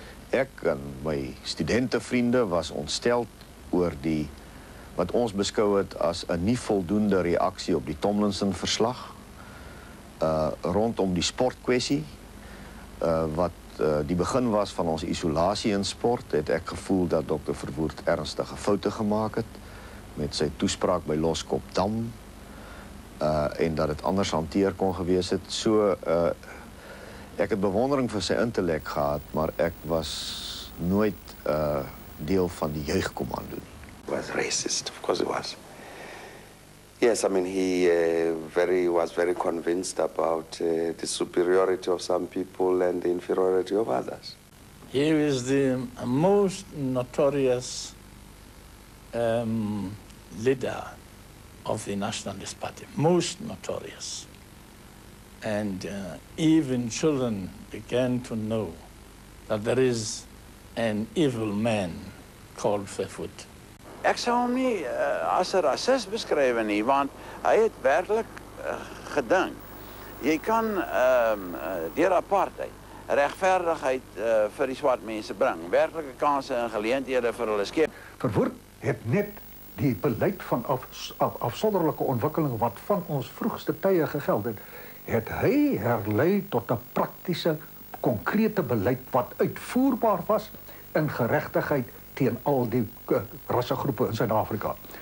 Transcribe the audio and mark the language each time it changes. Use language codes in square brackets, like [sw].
[af] Ek en my studentevriende was ontsteld oor die wat ons beskou het as 'n nie voldoende reaksie op die Tomlinson-verslag rondom die sportkwessie wat die begin was van ons isolasie in sport. Het ek gevoel dat dokter Verwoerd ernstige foute gemaak het met sy toespraak by Loskop Dam. En dat het anders hanteer kon gewees het. So, ek het bewondering vir sy intellek gehad, maar ek was nooit deel van die jeugkommando nie. [en] He was racist, of course he was. Yes, I mean, he was very convinced about the superiority of some people and the inferiority of others. He was the most notorious leader of the Nationalist Party, most notorious. And even children began to know that there is an evil man called Verwoerd. [af] Ek sou hom nie as 'n rasis beskryf nie, want hy het werklik gedink. Jy kan deur apartheid regverdigheid vir die swart mense bring, werklike kanse en geleenthede vir hulle skep. Verwoerd het net die beleid van afsonderlijke ontwikkeling wat van ons vroegste tye gegeld het, het hy herlei tot 'n praktiese, konkrete beleid wat uitvoerbaar was in geregtigheid teen al die rassegroepe in Suid-Afrika.